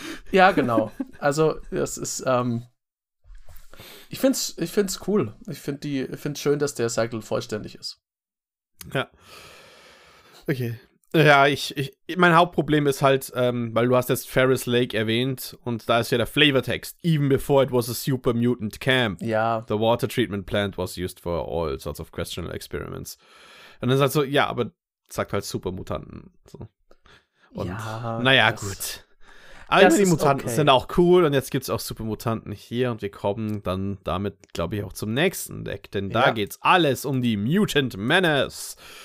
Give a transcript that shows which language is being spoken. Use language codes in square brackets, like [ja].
[de] Ja, genau. Also, das ist, ich find's cool. Ich find's schön, dass der Cycle vollständig ist. Ja. Okay. Ja, mein Hauptproblem ist halt, weil du hast jetzt Ferris Lake erwähnt und da ist ja der Flavortext. [en] Even before it was a super mutant camp, [de] ja. [en] The water treatment plant was used for all sorts of questionable experiments. [de] Und dann ist halt so, ja, aber sagt halt Supermutanten. So. Und ja, naja, gut. Aber die Mutanten okay. Sind auch cool und jetzt gibt's auch Supermutanten hier und wir kommen dann damit, glaube ich, auch zum nächsten Deck, denn da geht's alles um die Mutant Menace.